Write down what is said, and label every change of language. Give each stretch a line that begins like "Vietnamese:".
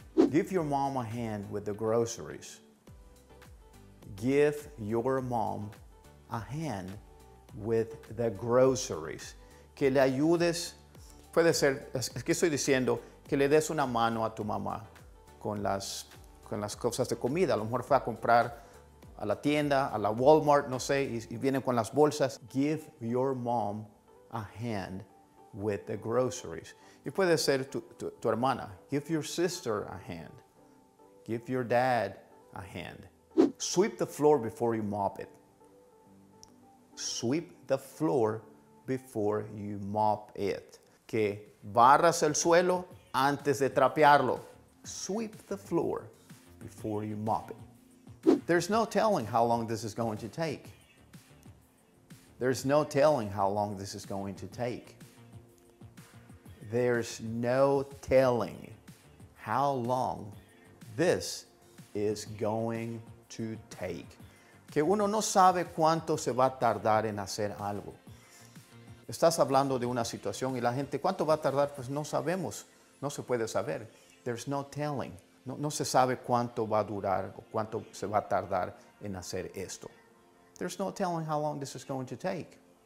English: Give your mom a hand with the groceries. Give your mom a hand with the groceries.
Spanish: Que le ayudes, puede ser, es que estoy diciendo, que le des una mano a tu mamá con las cosas de comida. A lo mejor fue a comprar a la tienda, a la Walmart, no sé, y viene con las bolsas.
English: Give your mom a hand with the groceries.
Spanish: Y puede ser tu hermana.
English: Give your sister a hand. Give your dad a hand. Sweep the floor before you mop it. Sweep the floor before you mop it.
Spanish: Que barras el suelo antes de trapearlo.
English: Sweep the floor before you mop it. There's no telling how long this is going to take. There's no telling how long this is going to take. there's no telling how long this is going to take.
Spanish: Que uno no sabe cuánto se va a tardar en hacer algo. Estás hablando de una situación y la gente, ¿cuánto va a tardar? Pues no sabemos, no se puede saber.
English: There's no telling.
Spanish: No se sabe cuánto va a durar o cuánto se va a tardar en hacer esto.
English: There's no telling how long this is going to take.